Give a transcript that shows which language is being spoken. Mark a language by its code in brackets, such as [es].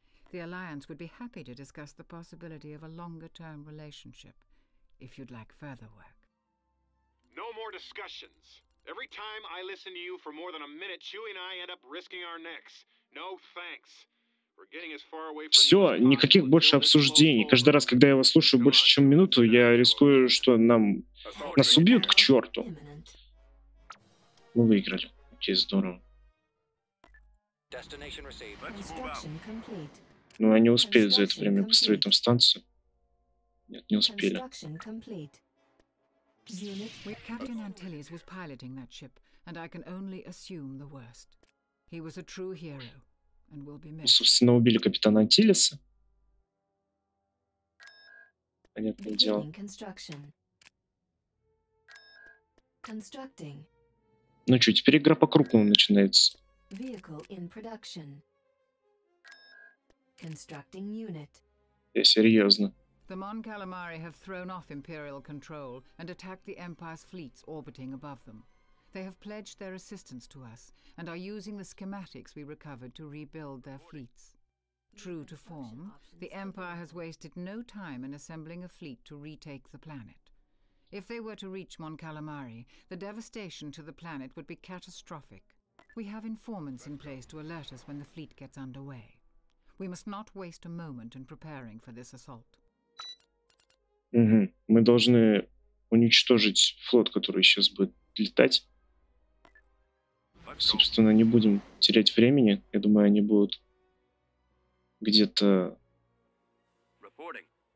[en] The Alliance would be happy to discuss the possibility of a longer-term relationship, if you'd like further work. No more discussions. Every time I listen to you for more than a minute, Chewie and I end up risking our necks. No thanks. We're getting as far away from you as possible. [ru] Все, никаких больше обсуждений. Каждый раз, когда я вас слушаю больше, чем минуту, я рискую, что нас убьют к черту. Мы выиграли. Окей, здорово. [en] Destination received. Construction complete. [ru] Ну, они успеют за это время построить там станцию. Нет, не успели. [en] Captain Antilles was piloting that ship, and I can only assume the worst. He was a true hero, and will be missed. [ru] Собственно, убили капитана Антилеса. Понятное дело. [en] Constructing. [ru] Ну что, теперь игра по-крупному начинается. [en] Vehicle in production. Constructing unit. [ru] Я серьезно. [en] The Mon Calamari have thrown off Imperial control and attacked the Empire's fleets orbiting above them. They have pledged their assistance to us and are using the schematics we recovered to rebuild their fleets. True to form, the Empire has wasted no time in assembling a fleet to retake the planet. If they were to reach Mon Calamari, the devastation to the planet would be catastrophic. We have informants in place to alert us when the fleet gets underway. We must not waste a moment in preparing for this assault. [ru] Угу. Мы должны уничтожить флот, который сейчас будет летать. Собственно, не будем терять времени. Я думаю, они будут где-то. Reporting.